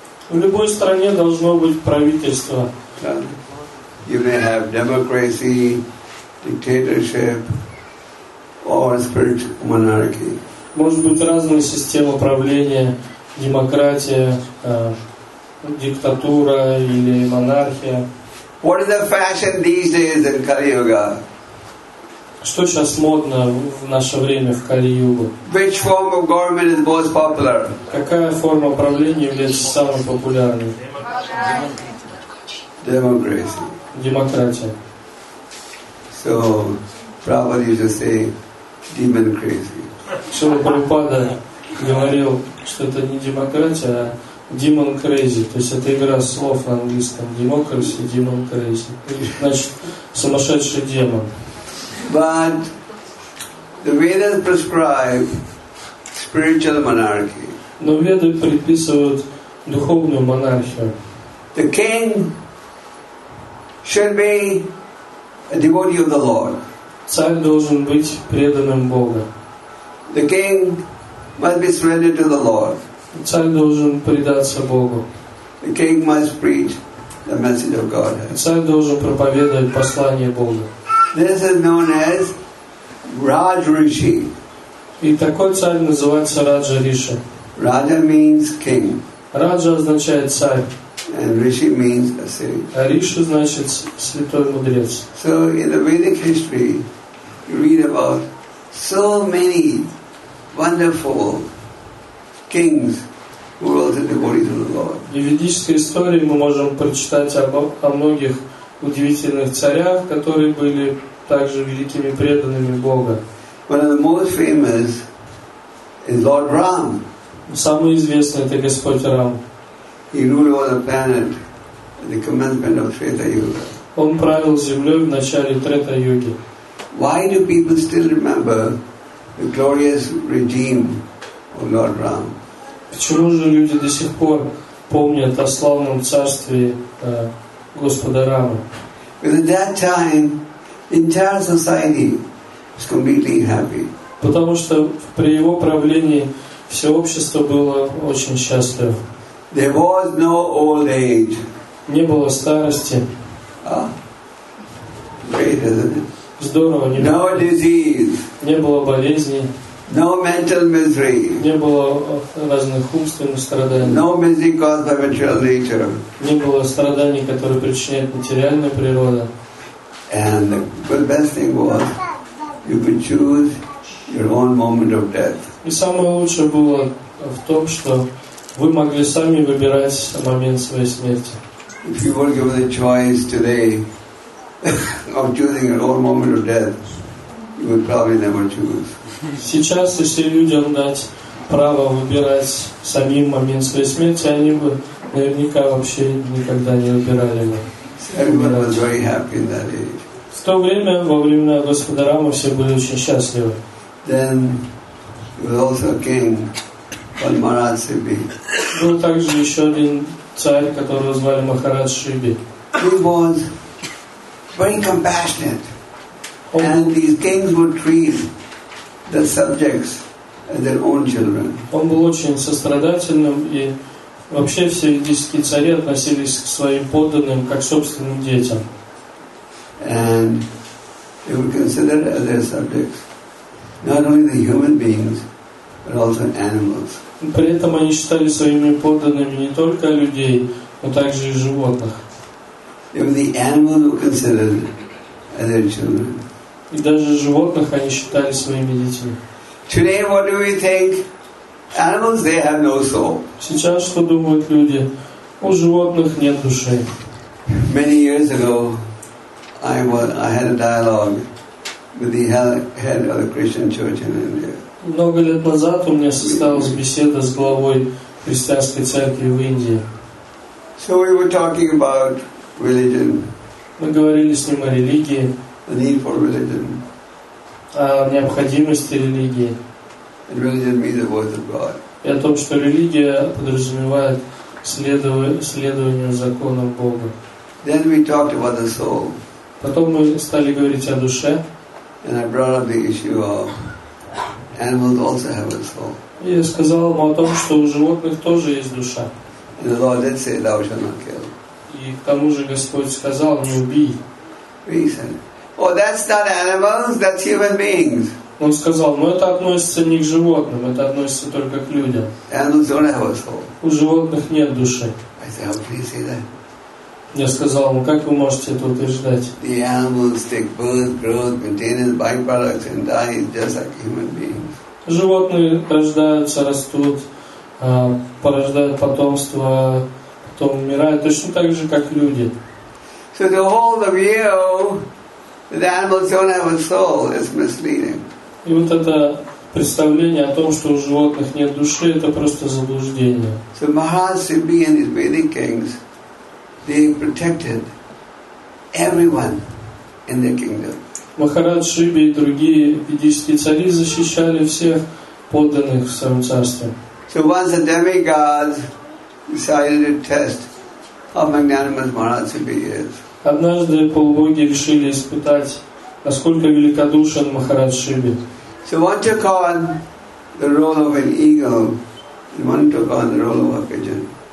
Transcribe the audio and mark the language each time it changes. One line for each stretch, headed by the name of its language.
Russian: В любой стране должно быть правительство.
English: You may have democracy, dictatorship, or spiritual monarchy.
Russian: Может быть разные системы правления, демократия, диктатура или монархия.
English: What is the fashion these days in Kali Yuga?
Russian: Что сейчас модно в наше время в Кали-Югу?
English: Which form of government is most popular?
Russian: Какая форма правления является самой популярной?
English: Democracy.
Russian: Демократия.
English: So, Prabhupada used to say, demon crazy.
Russian: Шрила Прабхупада говорил, что это не демократия, а
English: demon crazy.
Russian: То есть это игра слов на английском.
English: Democracy, demon crazy.
Russian: Значит, сумасшедший демон.
English: But the Vedas prescribe spiritual monarchy.
Russian: Но Веды предписывают духовную монархию.
English: The king should be a devotee of the Lord.
Russian: Царь должен быть преданным Богу.
English: The king must be surrendered to the Lord.
Russian: Царь должен предаться Богу.
English: The king must preach the message of God.
Russian: Царь должен проповедовать послание Бога.
English: This is known as Raj Rishi.
Russian: И такой царь называется Раджа Риша.
English: Raja means king.
Russian: Раджа означает царь.
English: And Rishi means a sage.
Russian: А Риша значит святой мудрец.
English: So in the Vedic history, you read about so many wonderful kings who were also devoted to the Lord.
Russian: В ведической истории мы можем прочитать о многих удивительных царях, которые были также великими преданными Бога.
English: One of the most famous is Lord Ram.
Russian: Самый известный это Господь Рам.
English: He ruled over the planet at the commencement of Treta Yuga.
Russian: Он правил землей в начале Трета Юги.
English: Why do people still remember the glorious regime of Lord Ram?
Russian: Почему же люди до сих пор помнят о славном царстве Господа Рама?
English: Because at that time, entire society was completely happy.
Russian: Потому что при его правлении все общество было очень счастливо.
English: There was no old age.
Russian: Не было старости.
English: Great, isn't it?
Russian: Здорово, не было.
English: No disease.
Russian: Не было болезней.
English: No mental misery.
Russian: Не было разных умственных страданий.
English: No misery caused by material nature.
Russian: Не было страданий, которые причиняет материальная природа.
English: And the best thing was, you could choose your own moment of death.
Russian: И самое лучшее было в том, что вы могли сами выбирать момент своей смерти.
English: If you were given the choice today of choosing your own moment of death,
Russian: вы правы на мой чувак. Сейчас, если людям дать право выбирать самим момент своей смерти, они бы наверняка вообще никогда не выбирали его.
English: Everyone was very happy in that age.
Russian: В то время, во времена Господа Рамы, все были очень счастливы.
English: Then was also king Padmarad Sibi.
Russian: Был также еще один царь, которого звали Махарад Шиби.
English: He was very compassionate. And these kings would treat the subjects as their own children.
Russian: Он был очень сострадательным, и вообще все индийские цари относились к своим подданным как к собственным детям.
English: And they would consider as their subjects not only the human beings, but also animals.
Russian: При этом они считали своими подданными не только людей, но также и животных.
English: Even the animals were considered as their children.
Russian: И даже животных они считали своими детьми.
English: Today, what do we think? Animals, they have no soul.
Russian: Сейчас что думают люди? У животных нет души.
English: Many years ago, I had a dialogue with the head of the Christian Church in India.
Russian: Много лет назад у меня состоялась беседа с главой христианской церкви в Индии.
English: So we were talking about religion.
Russian: Мы говорили с ним о религии.
English: The need for religion.
Russian: О необходимости религии.
English: And religion means the voice of God.
Russian: И о том, что религия подразумевает следование законам Бога.
English: Then we talked about the soul.
Russian: Потом мы стали говорить о душе.
English: And I brought up the issue of animals also have a soul.
Russian: И я сказал ему о том, что у животных тоже есть душа.
English: And the Lord did say, "Thou shalt not kill."
Russian: И к тому же Господь сказал, не убий.
English: Reason. Oh, that's not animals, that's human beings.
Russian: Он сказал, но это относится не к животным, это относится только к людям.
English: Animals don't have a soul.
Russian: У животных нет души.
English: I said, how can you say that?
Russian: Я сказал ему, как вы можете это утверждать?
English: The animals take birth, growth, maintenance, byproducts, and die just like human beings.
Russian: Животные рождаются, растут, порождают потомство, потом умирают, точно так же, как люди.
English: So the whole view that animals don't have a soul is misleading.
Russian: И вот это представление о том, что у животных нет души, это просто заблуждение.
English: So Mahasimbi and his Vedic kings, they protected everyone in their kingdom.
Russian: Махарад Шиби и другие ведические цари защищали всех подданных в своем царстве.
English: So once the demigods decided to test how magnanimous Mahasimbi is.
Russian: Однажды полубоги решили испытать, насколько великодушен Махарад Шиби.
English: So one took on the role of an eagle, and one took on the role of a pigeon.